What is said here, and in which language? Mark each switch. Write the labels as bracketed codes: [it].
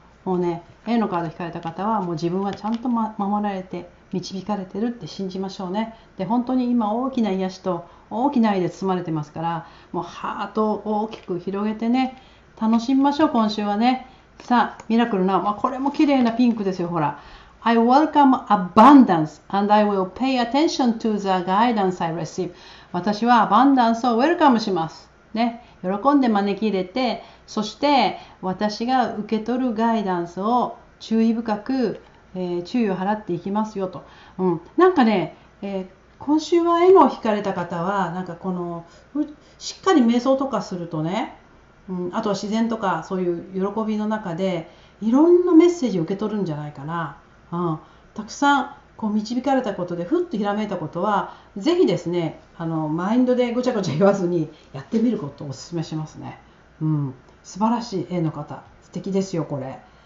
[ja] もうね、A のカード引かれた方は、もう自分はちゃんと、ま、守られて、導かれてるって信じましょうね。で、本当に今大きな癒しと大きな愛で包まれてますから、もうハートを大きく広げてね、楽しみましょう、今週はね。さあ、ミラクルな、まあ、これも綺麗なピンクですよ、ほら。 [en] I welcome abundance and I will pay attention to the guidance I receive. [ja] 私はアバンダンスをウェルカムします。ね、喜んで招き入れて、そして私が受け取るガイダンスを注意深く、注意を払っていきますよと。うん、なんかね、今週は絵の引かれた方は、なんかこの、しっかり瞑想とかするとね、うん、あとは自然とかそういう喜びの中でいろんなメッセージを受け取るんじゃないかな、うん、たくさんこう導かれたことでふっとひらめいたことはぜひですね、あのマインドでごちゃごちゃ言わずにやってみることをお勧めしますね、うん、素晴らしい絵の方、素敵ですよこれ。